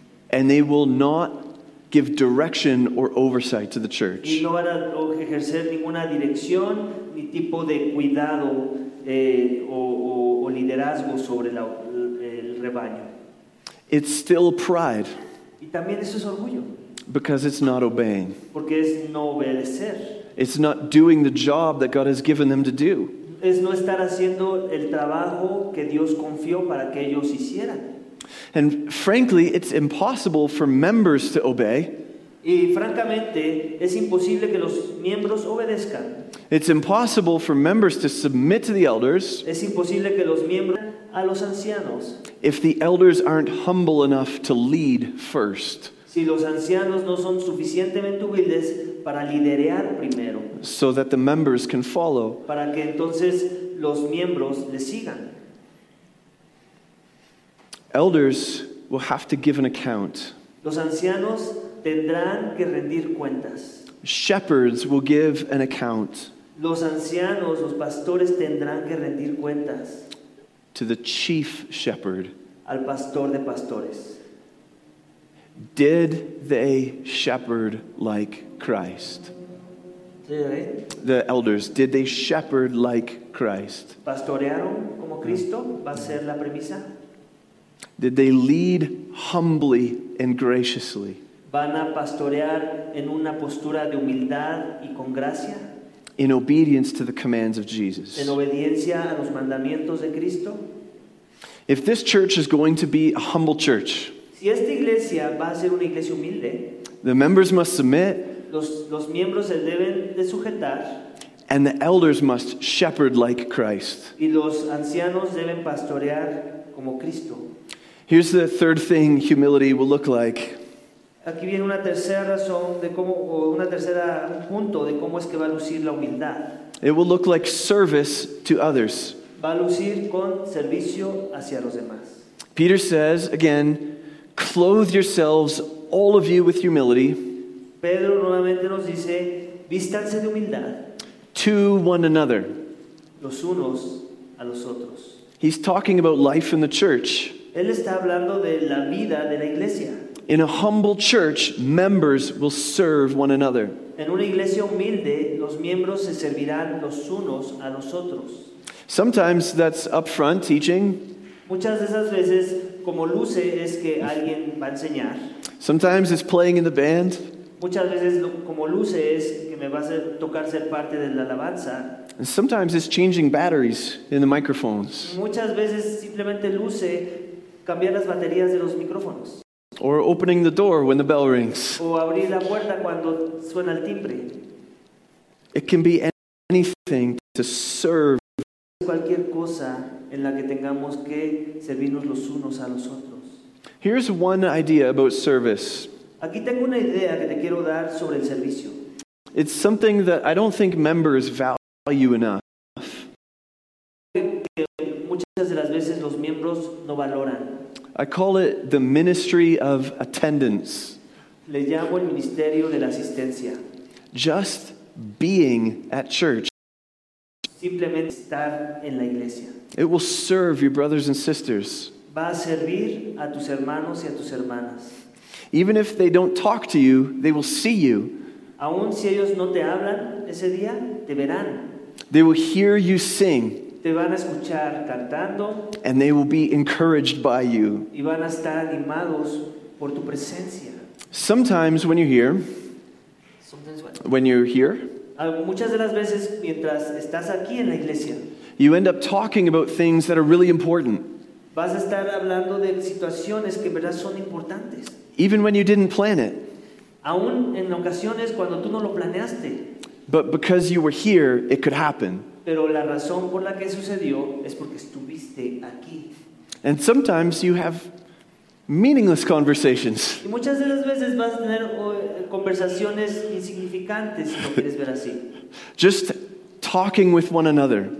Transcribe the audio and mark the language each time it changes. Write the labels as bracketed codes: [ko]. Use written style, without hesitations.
[en] And they will not give direction or oversight to the church. [es] Y no van a ejercer ninguna dirección ni tipo de cuidado o liderazgo sobre el rebaño. [en] It's still pride. [es] Y también eso es orgullo. [en] Because it's not obeying. [es] Porque es no obedecer. [en] It's not doing the job that God has given them to do. [es] Es no estar haciendo el trabajo que Dios confió para que ellos hicieran. [en] And frankly, it's impossible for members to obey. [es] Y francamente, es imposible que los miembros obedezcan. [en] It's impossible for members to submit to the elders. [es] Es imposible que los miembros a los ancianos. [en] If the elders aren't humble enough to lead first. [es] Si los ancianos no son suficientemente humildes para liderar primero. [en] So that the members can follow. [es] Para que entonces los miembros le sigan. [en] Elders will have to give an account. [es] Los ancianos tendrán que rendir cuentas. [en] Shepherds will give an account. [es] Los ancianos, los pastores tendrán que rendir cuentas. [en] To the chief shepherd. [es] Al pastor de pastores. [en] Did they shepherd like Christ? [es] ¿Sí? [en] The elders, did they shepherd like Christ? [es] ¿Pastorearon como Cristo? ¿Va a ser la premisa? [en] Did they lead humbly and graciously? [es] ¿Van a pastorear en una postura de humildad y con gracia? [en] In obedience to the commands of Jesus. [es] ¿En obediencia a los mandamientos de Cristo? [en] If this church is going to be a humble church, [es] si esta iglesia va a ser una iglesia humilde, [en] the members must submit, [es] los miembros se deben de sujetar, [en] and the elders must shepherd like Christ. [es] Y los ancianos deben pastorear como Cristo. [en] Here's the third thing humility will look like. [es] Aquí viene una tercera razón de cómo, o una tercera punto de cómo es que va a lucir la humildad. [en] It will look like service to others. [es] Va a lucir con servicio hacia los demás. [en] Peter says again, clothe yourselves, all of you, with humility. [es] Pedro nuevamente nos dice, vístanse de humildad. [en] To one another. [es] Los unos a los otros. [en] He's talking about life in the church. [es] Él está hablando de la vida de la iglesia. [en] In a humble church, members will serve one another. [es] En una iglesia humilde, los miembros se servirán los unos a los otros. [en] Sometimes that's upfront teaching. [es] Muchas de esas veces, como luce, es que alguien va a enseñar. [en] Sometimes it's playing in the band. [es] Muchas veces, como luce, es que me va a tocar ser parte de la alabanza. [en] And sometimes it's changing batteries in the microphones. [es] Muchas veces, simplemente luce cambiar las baterías de los micrófonos. [en] Or opening the door when the bell rings. [es] O abrir la puerta cuando suena el timbre. [en] It can be anything to serve. [es] Cualquier cosa en la que tengamos que servirnos los unos a los otros. [en] Here's one idea about service. [es] Aquí tengo una idea que te quiero dar sobre el servicio. [en] It's something that I don't think members value enough. [es] Que muchas de las veces los miembros no valoran. [en] I call it the ministry of attendance. [es] Le llamo el ministerio de la asistencia. [en] Just being at church. [es] Simplemente estar en la iglesia. [en] It will serve your brothers and sisters. [es] Va a servir a tus hermanos y a tus hermanas. [en] Even if they don't talk to you, they will see you. [es] Aun si ellos no te hablan ese día, te verán. [en] They will hear you sing. [es] Te van a escuchar cantando. [en] And they will be encouraged by you. [es] Y van a estar animados por tu presencia. [en] Sometimes when you're here. When you're here. [es] Muchas de las veces mientras estás aquí en la iglesia, [en] you end up talking about things that are really important. [es] Vas a estar hablando de situaciones que en verdad son importantes. [en] Even when you didn't plan it. [es] Aún en ocasiones cuando tú no lo planeaste. [en] But because you were here, it could happen. [es] Pero la razón por la que sucedió es porque estuviste aquí. [en] And sometimes you have meaningless conversations. [es] Y muchas de las veces vas a tener conversaciones insignificantes, si lo quieres ver así. [en] Just talking with one another.